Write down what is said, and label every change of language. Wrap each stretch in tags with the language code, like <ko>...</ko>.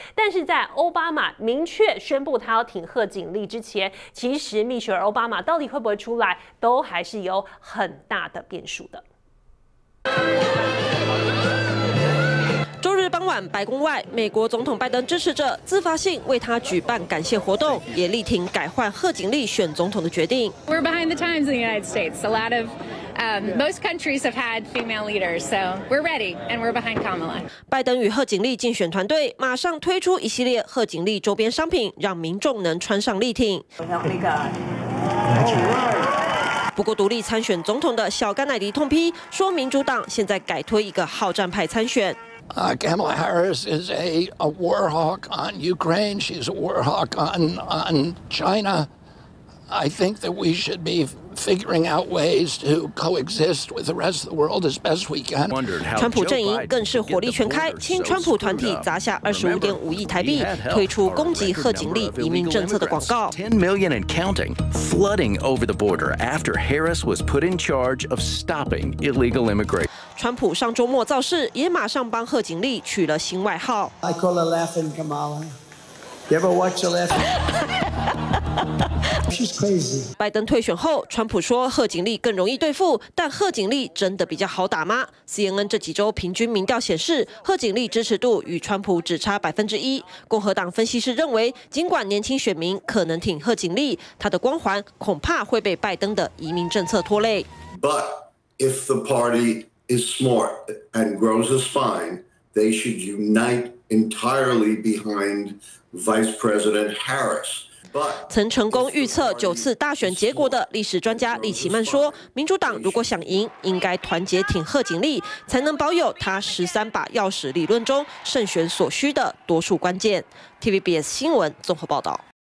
<zh>但是在奥巴马明确宣布他要挺贺锦丽之前，其实蜜雪儿奥巴马到底会不会出来都还是有很大的变数的。周日傍晚，白宫外，美国总统拜登支持者自发性为他举办感谢活动，也力挺改换贺锦丽选总统的决定。</zh> <en>We're behind the times in the United States. A lot of most countries have had female leaders, so we're ready and we're behind Kamala.</en> <zh>拜登与贺锦丽竞选团队马上推出一系列贺锦丽周边商品，让民众能穿上力挺。不过独立参选总统的小甘乃迪痛批，说民主党现在改推一个好战派参选。</zh> <en>Kamala Harris is a war hawk on Ukraine. She's a war hawk on China. I think that we should be figuring out ways to coexist with the rest of the world as best we can.</en> <zh>川普阵营更是火力全开，亲川普团体砸下25.5亿台币，推出攻击贺锦丽移民政策的广告。</zh> <en>10 million and counting, flooding over the border after Harris was put in charge of stopping illegal immigration.</en> <zh>川普上周末造势，也马上帮贺锦丽取了新外号。</zh> <en>I call her Laughing Kamala. You ever watch the Laughing? She's crazy.</en> <zh>拜登退选后，川普说贺锦丽更容易对付，但贺锦丽真的比较好打吗 ？CNN 这几周平均民调显示，贺锦丽支持度与川普只差1%。共和党分析师认为，尽管年轻选民可能挺贺锦丽，她的光环恐怕会被拜登的移民政策拖累。</zh> <en>But if the party is smart and grows a spine, they should unite entirely behind Vice President Harris.</en> <zh>曾成功预测9次大选结果的历史专家李奇曼说，民主党如果想赢，应该团结挺贺锦丽，才能保有他13把钥匙理论中胜选所需的多数关键。 TVBS 新闻综合报道。</zh>